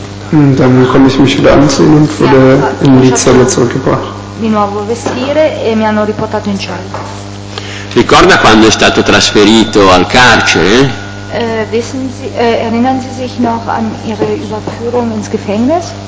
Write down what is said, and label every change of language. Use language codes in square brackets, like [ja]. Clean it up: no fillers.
[de] Dann konnte ich mich wieder anziehen und wurde in die Zelle zurückgebracht. [it] Di nuovo vestire e mi hanno riportato in cella. Ricorda quando è stato trasferito al carcere? [de] Wissen Sie, erinnern Sie sich noch an Ihre Überführung ins Gefängnis?